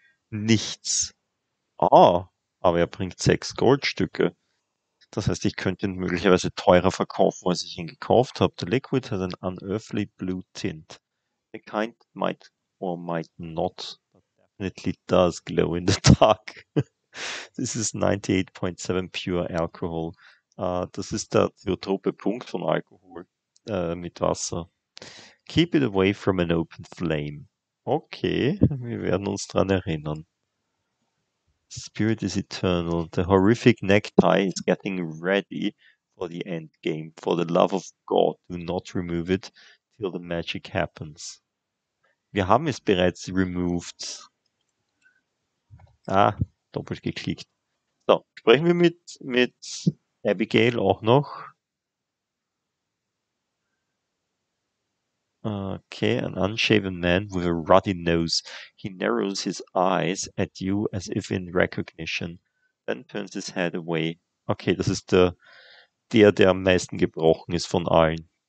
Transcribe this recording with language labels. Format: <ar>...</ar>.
<de>Nichts. Ah, aber er bringt 6 Goldstücke. Das heißt, ich könnte ihn möglicherweise teurer verkaufen, als ich ihn gekauft habe.</de> <en>The liquid has an unearthly blue tint. The kind might or might not, but definitely does glow in the dark. This is 98.7 pure alcohol.</en> <de>Das ist der zyotrope Punkt von Alkohol mit Wasser.</de> <en>Keep it away from an open flame.</en> <de>Okay, wir werden uns daran erinnern.</de> <en>Spirit is eternal. The horrific necktie is getting ready for the endgame. For the love of God, do not remove it till the magic happens.</en> <de>Wir haben es bereits removed. Ah, doppelt geklickt. So, sprechen wir mit Abigail auch noch.</de> <en>Okay, an unshaven man with a ruddy nose. He narrows his eyes at you as if in recognition, then turns his head away.</en> <de>Okay, das ist der am meisten gebrochen ist von allen.</de>